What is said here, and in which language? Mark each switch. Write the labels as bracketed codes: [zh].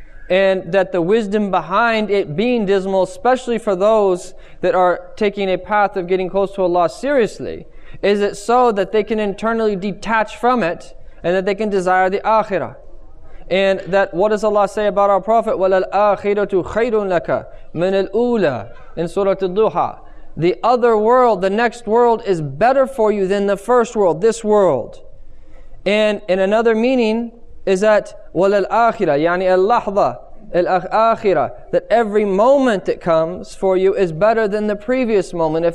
[en] And that the wisdom behind it being dismal, especially for those that are taking a path of getting close to Allah seriously, is it so that they can internally detach from it, and that they can desire the akhirah. And that, what does Allah say about our Prophet? [ar] وَلَلْ آخِرَةُ خَيْرٌ لَكَ مِنَ الْأُولَى [en] in Surah Al-Duha. The other world, the next world, is better for you than the first world, this world. And in another meaning is that [ar] وَلَلْ آخِرَةُ يَعْنِ اللَّحْظَةُ الْآخِرَةُ, [en] that every moment that comes for you is better than the previous moment.